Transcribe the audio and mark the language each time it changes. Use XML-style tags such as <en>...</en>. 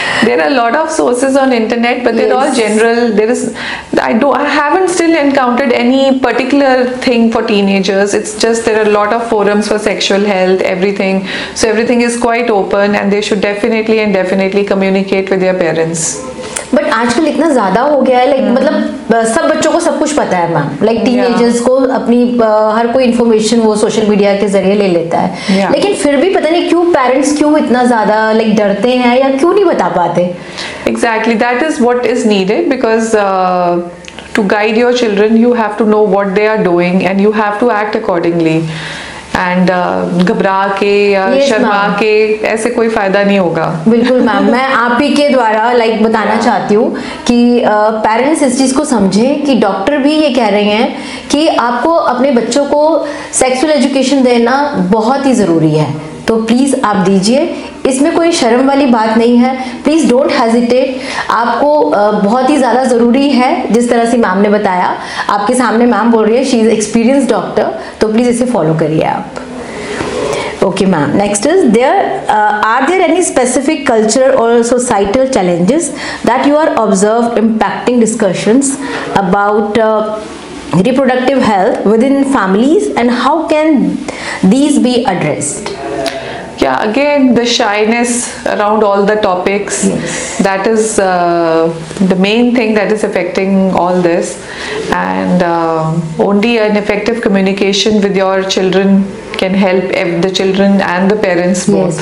<en>There are a lot of sources on internet, but they're all general. I haven't still encountered any particular thing for teenagers. It's just there are a lot of forums for sexual health, everything. So everything is quite open, and they should definitely and definitely communicate with their parents.</en> <hi>But आजकल इतना ज्यादा हो गया है, like मतलब सब बच्चों को सब कुछ पता है मैम, लाइक टीनएजर्स को अपनी हर कोई इन्फॉर्मेशन वो सोशल मीडिया के जरिए ले लेता है, लेकिन फिर भी पता नहीं क्यों पेरेंट्स क्यों इतना ज्यादा लाइक डरते हैं या क्यों नहीं बता पाते.</hi> <en>Exactly, that is what is needed, because to guide your children you have to know what they are doing and you have to act accordingly.</en> <hi>And घबरा के या शर्मा के ऐसे कोई फायदा नहीं होगा. बिल्कुल मैम, मैं आप ही के द्वारा लाइक बताना चाहती हूँ कि पेरेंट्स इस चीज को समझें कि डॉक्टर भी ये कह रहे हैं कि आपको अपने बच्चों को सेक्सुअल एजुकेशन देना बहुत ही जरूरी है, तो प्लीज आप दीजिए, इसमें कोई शर्म वाली बात नहीं है.</hi> <en>please don't hesitate,</en> <hi>आपको बहुत ही ज्यादा जरूरी है. जिस तरह से मैम ने बताया, आपके सामने मैम बोल रही है,</hi> <en>she is experience doctor,</en> <hi>तो प्लीज इसे फॉलो करिए आप.</hi> <en>Okay ma'am, next is there are there any specific cultural or societal challenges that you are observe impacting discussions about reproductive health within families and how can these be addressed? Yeah, again, the shyness around all the topics, yes. That is the main thing that is affecting all this. And only an effective communication with your children can help the children and the parents both.</en>